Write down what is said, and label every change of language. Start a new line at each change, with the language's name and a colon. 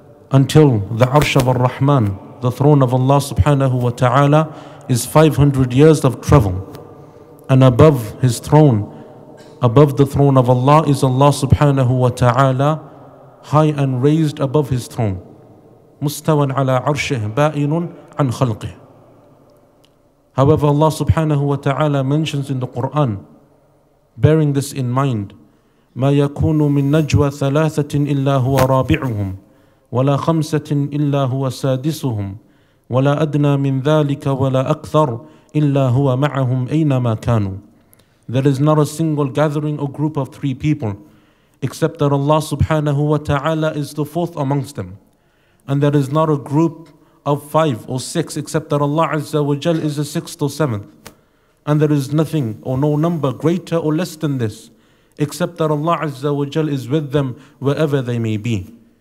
English: until the Arsh of Ar-Rahman, the throne of Allah subhanahu wa ta'ala, is 500 years of travel, and above his throne, above the throne of Allah, is Allah subhanahu wa ta'ala, high and raised above his throne.
Arabic: مُسْتَوَنْ عَلَىٰ عَرْشِهِ بَائِنٌ عَنْ خَلْقِهِ.
English: However, Allah subhanahu wa ta'ala mentions in the Qur'an, bearing this in mind,
Arabic: مَا يَكُونُ مِنْ نَجْوَى ثَلَاثَةٍ إِلَّا هُوَ رَابِعُهُمْ وَلَا خَمْسَةٍ إِلَّا هُوَ سَادِسُهُمْ وَلَا أَدْنَى مِنْ ذَلِكَ وَلَا أَكْثَرُ إِلَّا هُوَ مَعَهُمْ أَيْنَمَا كَانُوا.
English: There is not a single gathering or group of three people except that Allah subhanahu wa ta'ala is the fourth amongst them. And there is not a group of five or six except that Allah azza wa jal is the sixth or seventh. And there is nothing or no number greater or less than this except that Allah azza wa jal is with them wherever they may be.